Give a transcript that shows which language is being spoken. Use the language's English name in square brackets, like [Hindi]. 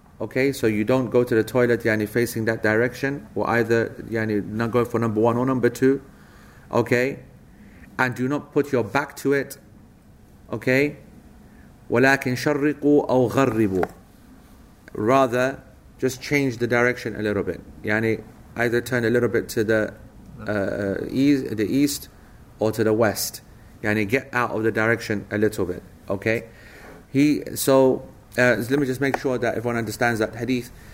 [English] Okay, so you don't go to the toilet yani facing that direction, or either yani not go for number one or number two. Okay, and do not put your back to it. [Arabic] Okay, ولكن شرقوا أو غربوا. [English] Rather, just change the direction a little bit. Yani either turn a little bit to the east. Or to the west, yani get out of the direction a little bit. Okay, let me just make sure that everyone understands that hadith.